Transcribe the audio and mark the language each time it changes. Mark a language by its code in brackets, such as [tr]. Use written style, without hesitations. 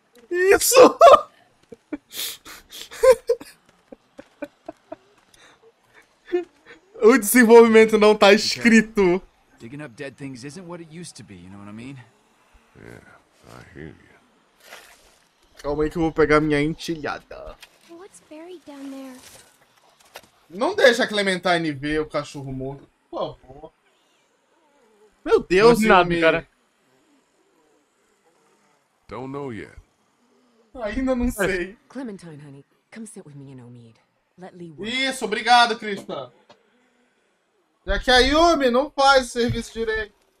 [pt] Isso. O desenvolvimento não tá escrito. [en] Digging up dead things isn't what it used to be, you know what I mean? Yeah, I hear you. [pt] Calma aí que eu vou pegar minha enchilhada. [en] What's buried down there? [pt] Não deixa a Clementine ver o cachorro morto, por favor. Meu Deus, Yuumi, cara. [en] Don't know yet. [pt] Ainda não sei. [en] Clementine, honey, come sit with me in Omid. Let Lee work. [pt] Isso, obrigado, Krista. Já que a Yuumi não faz o serviço direito.